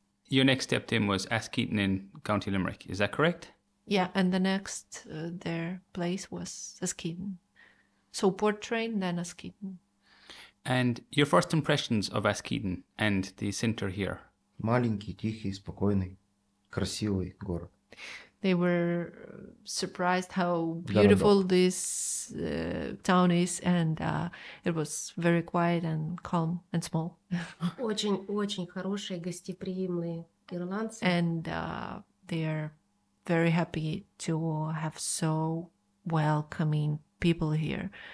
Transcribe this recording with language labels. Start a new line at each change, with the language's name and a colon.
English: Your next step then was Askeaton in County Limerick, is that correct? Yeah, and the next their place was Askeaton. So Portrane, then Askeaton. And your first impressions of Askeaton and the center here?
Russian: Маленький, тихий, спокойний, красивый город.
English: They were surprised how beautiful this town is, and it was very quiet and calm and small.
Russian: Очень-очень хорошие, гостеприимные ирландцы.
English: And they are very happy to have so welcoming people here.